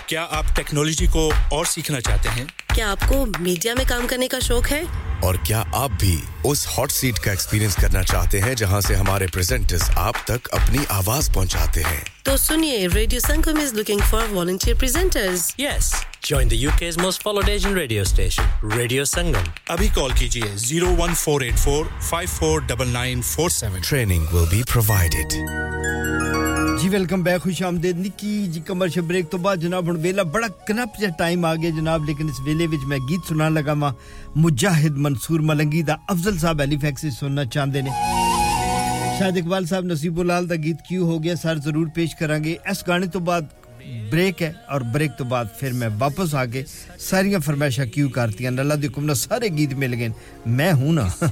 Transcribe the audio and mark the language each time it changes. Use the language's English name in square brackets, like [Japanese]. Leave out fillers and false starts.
[Hindi] क्या आप टेक्नोलॉजी को और सीखना चाहते हैं क्या आपको मीडिया में काम करने का शौक है और क्या आप भी उस हॉट सीट का एक्सपीरियंस करना चाहते हैं जहां से हमारे प्रेजेंटर्स आप तक अपनी आवाज पहुंचाते हैं तो सुनिए [English] Radio Sangam is looking for volunteer presenters yes Join the UK's most followed Asian radio station, Radio Sangam. [Hindi] Abhi call kijiye 01484-549947. [English] Training will be provided. [Punjabi] ਜੀ ਵੈਲਕਮ ਬੈਕ ਖੁਸ਼ ਆਮਦੇਦ ਨਿੱਕੀ ਜੀ ਕਮਰਸ਼ੀਅਲ ਬ੍ਰੇਕ ਤੋਂ ਬਾਅਦ ਜਨਾਬ ਹੁਣ ਵੇਲਾ ਬੜਾ ਕਨੱਪ ਜਿਹਾ ਟਾਈਮ ਆ ਗਿਆ ਜਨਾਬ ਲੇਕਿਨ ਇਸ ਵੇਲੇ ਵਿੱਚ ਮੈਂ ਗੀਤ ਸੁਣਾਉਣ ਲੱਗਾ ਵਾਂ ਮੁਜਾਹਿਦ ਮਨਸੂਰ ਮਲੰਗੀ ਦਾ ਅਫਜ਼ਲ ਸਾਹਿਬ ਹੈਲੀਫੈਕਸ ਸੁਣਨਾ ਚਾਹੁੰਦੇ ਨੇ ਸ਼ਾਹਿਦ ਇਕਬਾਲ ਸਾਹਿਬ ਨਸੀਬੁਲਾਲ ਦਾ ਗੀਤ ਕਿਉਂ ਹੋ ਗਿਆ ਸਰ ਜ਼ਰੂਰ ਪੇਸ਼ ਕਰਾਂਗੇ ਇਸ ਗਾਣੇ ਤੋਂ ਬਾਅਦ ਬ੍ਰੇਕ ਹੈ ਔਰ ਬ੍ਰੇਕ ਤੋਂ ਬਾਅਦ ਫਿਰ ਮੈਂ ਵਾਪਸ ਆ ਕੇ ਸਾਰੀਆਂ ਫਰਮਾਇਸ਼ਾਂ ਕਿਉਂ ਕਰਤੀਆਂ ਅੱਲਾਹ ਦੇ ਹੁਕਮ ਨਾਲ ਸਾਰੇ ਗੀਤ ਮਿਲ ਗਏ [Hindi] ਮੈਂ ਹੂੰ ਨਾ